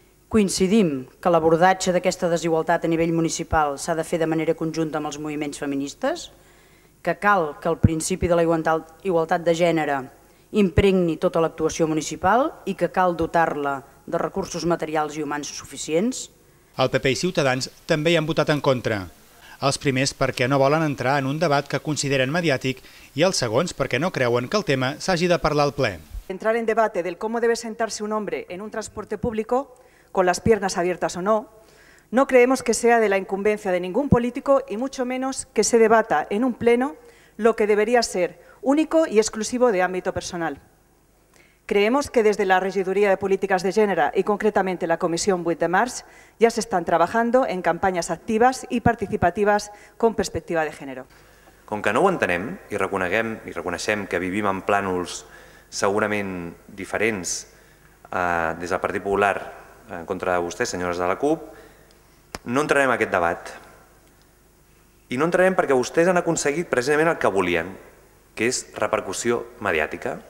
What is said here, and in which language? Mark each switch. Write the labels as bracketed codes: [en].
[ca] Coincidim que l'abordatge d'aquesta desigualtat a nivell municipal s'ha de fer de manera conjunta amb els moviments feministes, que cal que el principi de la igualtat de gènere impregni tota l'actuació municipal i que cal dotar-la de recursos materials i humans suficients. El PP i Ciutadans també hi han votat en contra. Els primers perquè no volen entrar en un debat que consideren mediàtic i els segons perquè no creuen que el tema s'hagi de parlar al ple. [es] Entrar en debate del cómo debe sentarse un hombre en un transporte público, con las piernas abiertas o no, no creemos que sea de la incumbencia de ningún político y mucho menos que se debata en un pleno lo que debería ser único y exclusivo de ámbito personal. Creemos que desde la Regiduría de Políticas de Género y concretamente la Comisión 8 de Març ya se están trabajando en campañas activas y participativas con perspectiva de género. [ca] Com que no ho entenem i reconeguem i reconeixem que vivim en plànols segurament diferents des del Partit Popular en contra de vostès, senyores de la CUP, no entrarem en aquest debat. I no entrarem perquè vostès han aconseguit precisament el que volien, que és repercussió mediàtica.